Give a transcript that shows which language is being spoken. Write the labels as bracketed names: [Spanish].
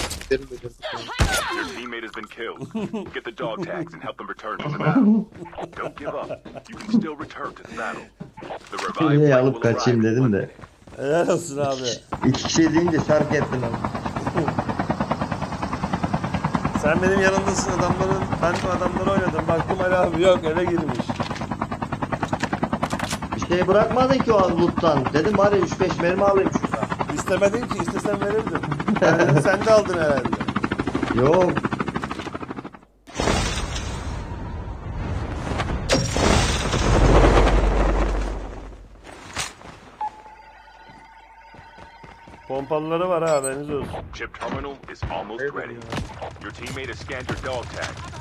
[English] Your teammate has been killed. Get the dog tags and help them return to the battle. Don't give up. You can still return to the battle. The revive will [Turkish] alıp kaçayım dedim de. Helal olsun abi. İki kişi deyince fark ettim abi. Sen benim yanımdasın adamların. Ben bu adamları oynadım. Baktım Ali abi yok, eve girmiş. Bir şey bırakmadın ki o an loot'tan. Dedim bari 3-5 mermi alayım şu an. İstemedin ki, istesen verirdim. Yani sen de aldın herhalde. Yok. Pompalıları var ha, haberiniz olsun. [English] Chip terminal is almost ready. Your teammate has scanned your dog tag.